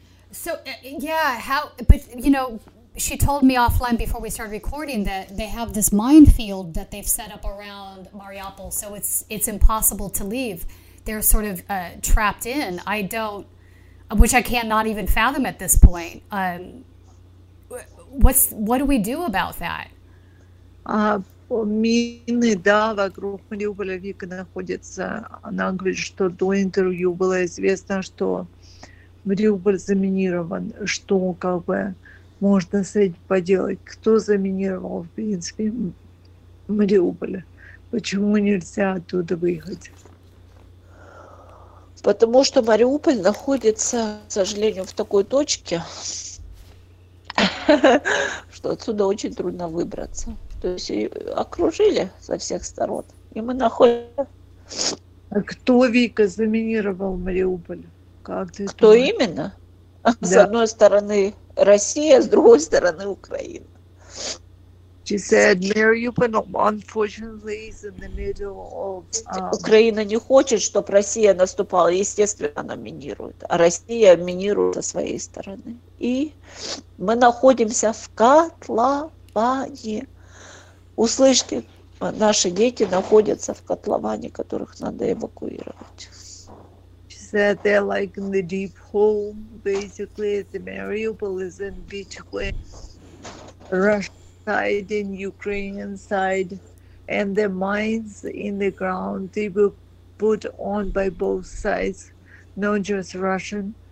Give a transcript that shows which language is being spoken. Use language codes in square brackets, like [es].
[en] So, yeah, how, but, you know, she told me offline before we started recording that they have this minefield that they've set up around Mariupol, so it's impossible to leave. They're sort of trapped in. I don't, which I cannot even fathom at this point. What do we do about that? [ru] Мины, да, вокруг Мариуполя, Вика, находится. Она говорит, что до интервью было известно, что Мариуполь заминирован, что как бы можно с этим поделать. Кто заминировал, в принципе, Мариуполь? Почему нельзя оттуда выехать? Потому что Мариуполь находится, к сожалению, в такой точке, что отсюда очень трудно выбраться. То есть окружили со всех сторон. И мы находимся... А кто, Вика, заминировал Мариуполь? Как ты кто думаешь? Именно? Да. С одной стороны... Россия, с другой стороны, Украина. [en] She said, Mariupol, unfortunately, is in the middle of... [ru] Украина не хочет, чтобы Россия наступала. Естественно, она минирует. А Россия минирует со своей стороны. И мы находимся в котловане. Услышьте, наши дети находятся в котловане, которых надо эвакуировать. [en] That they're like in the deep hole, basically. The Mariupol is in between Russian side and Ukrainian side, and the mines in the ground, they were put on by both sides, not just Russian.